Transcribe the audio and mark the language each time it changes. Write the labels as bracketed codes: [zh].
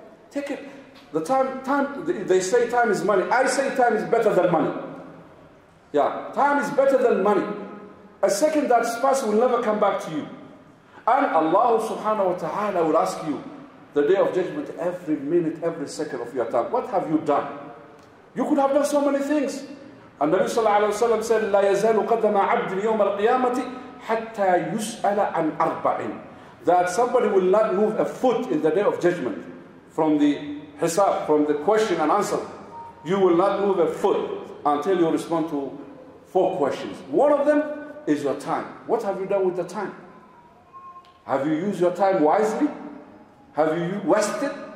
[en] Take it. The time, they say time is money. I say time is better than money. Yeah, time is better than money. A second that's passed will never come back to you. And Allah [ar] subhanahu wa ta'ala [en] will ask you, the day of judgment, every minute, every second of your time, what have you done? You could have done so many things. And Nabi sallallahu alayhi wa sallam said, [ar] لا يزال قدم عبد يوم القيامة حتى يسأل عن أربع. [en] That somebody will not move a foot in the day of judgment from the hisab, from the question and answer. You will not move a foot until you respond to four questions. One of them is your time. What have you done with the time? Have you used your time wisely? Have you wasted?